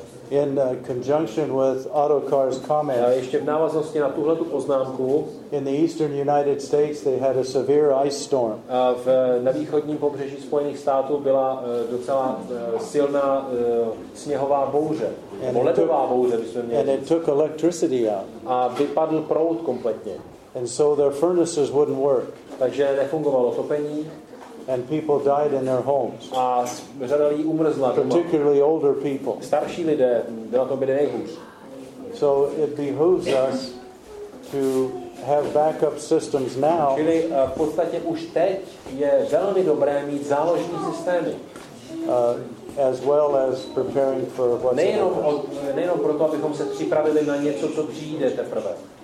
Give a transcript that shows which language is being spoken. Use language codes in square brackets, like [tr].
[en] In conjunction with Autocar's comment. [cs] Ještě v návaznosti na tuhle tu poznámku. [en] In the eastern United States, they had a severe ice storm. [cs] Na východním pobřeží Spojených států byla docela silná sněhová bouře. Ledová bouře, bychom měli. [en] And it took electricity out. [cs] A vypadl proud kompletně. [en] And so their furnaces wouldn't work. [cs] Takže nefungovalo topení. [en] And people died in their homes. [cs] A řada lidí umrzla doma. [en] Particularly older people. [cs] Starší lidé, byla to byli nejhůř. [en] So it behooves us to have backup systems now. [cs] Čili v podstatě už teď je velmi dobré mít záložní systémy. [en] As well as preparing for what's [cs] nejenom proto, abychom se připravili na něco, co přijde teprve.